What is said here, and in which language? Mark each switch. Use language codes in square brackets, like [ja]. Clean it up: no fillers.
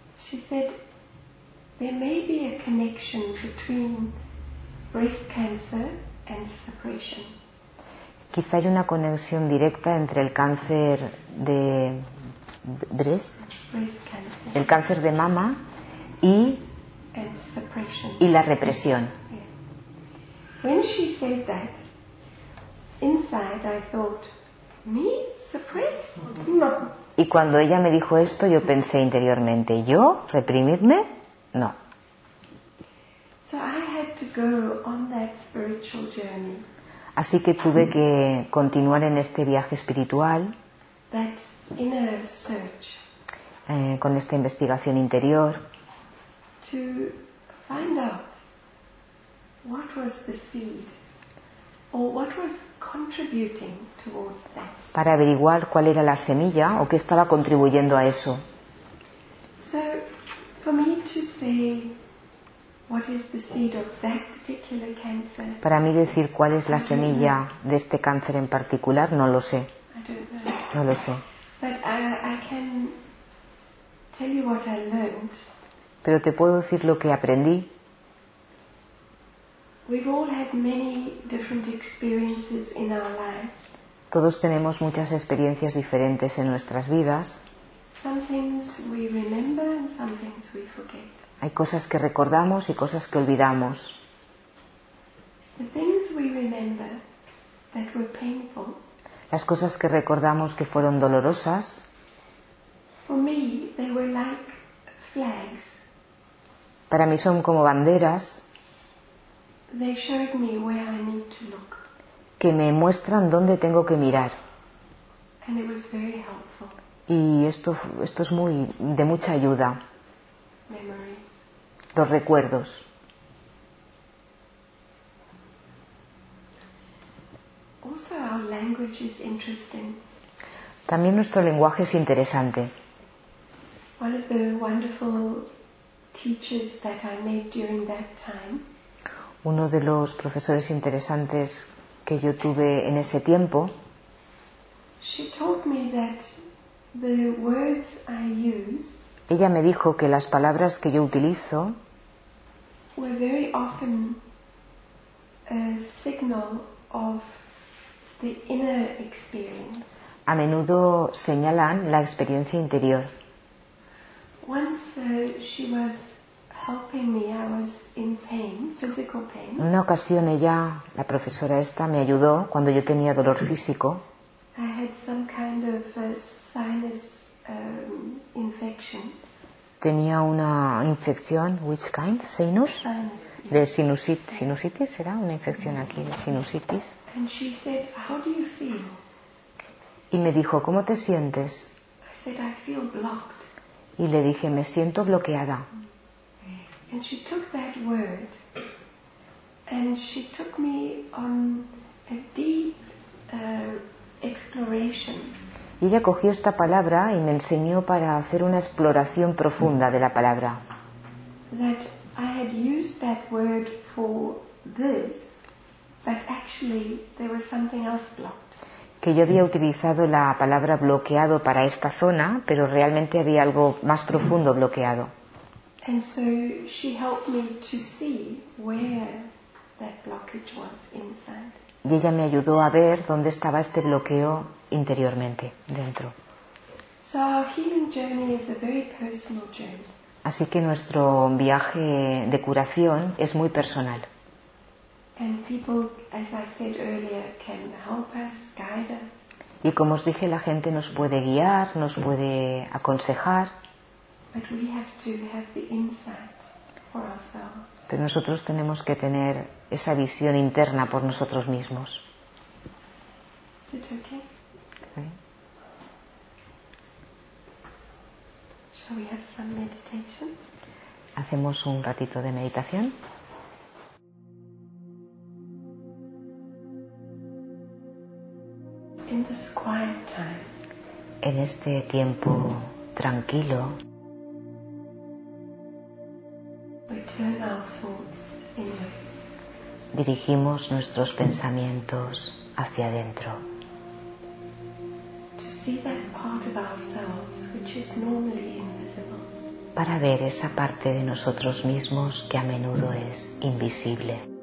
[en] She said, there may be a connection between breast cancer and separation. [es] Quizá hay una conexión directa entre el cáncer de breast, [en] cancer. [es] El cáncer de mama y [en] and separation. [es] Y la represión. [en] Yeah. When she said that, inside I thought, me suppress? No. [es] Y cuando ella me dijo esto, yo pensé interiormente, ¿yo? ¿Reprimirme? No. [en] So I had to go on that spiritual journey. [es] Así que tuve que continuar en este viaje espiritual. [en] That inner search. [es] Con esta investigación interior. [en] To find out what was the seed. Or what was contributing towards that. [es] Para averiguar cuál era la semilla o qué estaba contribuyendo a eso. [en] So, for me to say what is the seed of that particular cancer. [es] Para mí decir cuál es la semilla de este cáncer en particular, no lo sé. [en] I don't know. [es] No lo sé. [en] But I can tell you what I learned. [es] Pero te puedo decir lo que aprendí. [en] We've all had many different experiences in our lives. [es] Todos tenemos muchas experiencias diferentes en nuestras vidas. [en] Some things we remember and some things we forget. [es] Hay cosas que recordamos y cosas que olvidamos. [en] The things we remember that were painful. [es] Las cosas que recordamos que fueron dolorosas. [en] For me, they were like flags. [es] Para mí son como banderas. [en] They showed me where I need to look. [es] Que me muestran dónde tengo que mirar. [en] And it was very helpful. [es] Y esto es muy de mucha ayuda. [en] Memories. [es] Los recuerdos. [en] Also our language is interesting. [es] También nuestro lenguaje es interesante. [en] One of the wonderful teachers that I met during that time. [es] Uno de los profesores interesantes que yo tuve en ese tiempo. [en] She taught me that the words I use. [es] Ella me dijo que las palabras que yo utilizo. [en] Were very often a signal of the inner experience. [es] A menudo señalan la experiencia interior. [en] Once she was. Helping me, I was in pain, physical pain. [es] En una ocasión ella, la profesora esta, me ayudó cuando yo tenía dolor físico. [en] I had some kind of a sinus infection. [es] Tenía una infección, [en] which kind? Sinus? Sinus, yes. [es] De sinusitis, sinusitis era una infección aquí, de sinusitis. [en] And she said, how do you feel? [es] Y me dijo, ¿cómo te sientes? [en] I said, I feel blocked. [es] Y le dije, me siento bloqueada. [en] And she took that word and she took me on a deep exploration. [es] Y ella cogió esta palabra y me enseñó para hacer una exploración profunda de la palabra. [en] That I had used that word for this, but actually there was something else blocked. [es] Que yo había utilizado la palabra bloqueado para esta zona, pero realmente había algo más profundo bloqueado. [en] And so she helped me to see where that blockage was inside. [es] Y ella me ayudó a ver dónde estaba este bloqueo interiormente, dentro. [en] So our healing journey is a very personal journey. [es] Así que nuestro viaje de curación es muy personal. [en] And people, as I said earlier, can help us, guide us. [es] Y como os dije, la gente nos puede guiar, nos puede aconsejar. [en] But we have to have the insight for ourselves. [es] Pero nosotros tenemos que tener esa visión interna por nosotros mismos. [en] Is it okay? Okay. Shall we have some meditation? [es] hacemos un ratito de meditación. [en] In this quiet time, [es] en este tiempo tranquilo, [en] we turn our thoughts inwards. [es] Dirigimos nuestros pensamientos hacia adentro. [en] To see that part of ourselves which is normally invisible. [es] Para ver esa parte de nosotros mismos que a menudo es invisible,